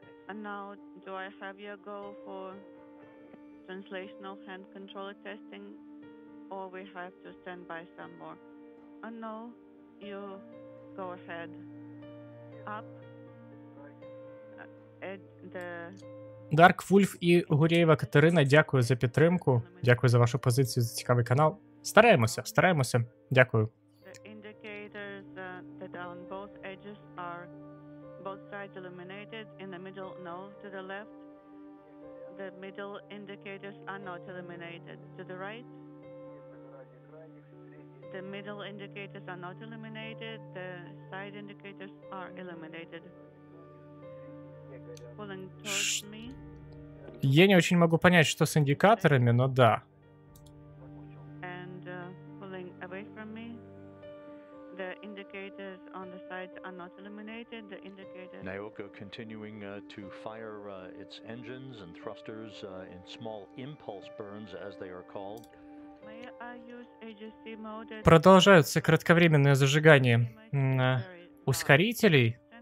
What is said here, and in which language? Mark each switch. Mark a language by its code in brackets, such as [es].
[en] And now, do I have your go for translational hand controller testing, or we have to stand by some more? And no, you go ahead up at the... [uk] Dark Wolf и Гуреева Катерина, дякую за підтримку, дякую за вашу позицію, за цікавий канал. Стараємося, стараємося, дякую. [en] The indicators that are on both edges are... Both sides illuminated in the middle, no, to the left. The middle indicators are not illuminated. To the right, the middle indicators are not illuminated. The side indicators are illuminated. Pulling towards me. [ru] Я не очень могу понять, что с индикаторами, но да. [en] And pulling away from me. The indicators on the sides are not illuminated. The indicators. Nauka continuing to fire its engines and thrusters in small impulse burns, as they are called. May I use AGC mode? [ru] Продолжаются кратковременное зажигание ускорителей.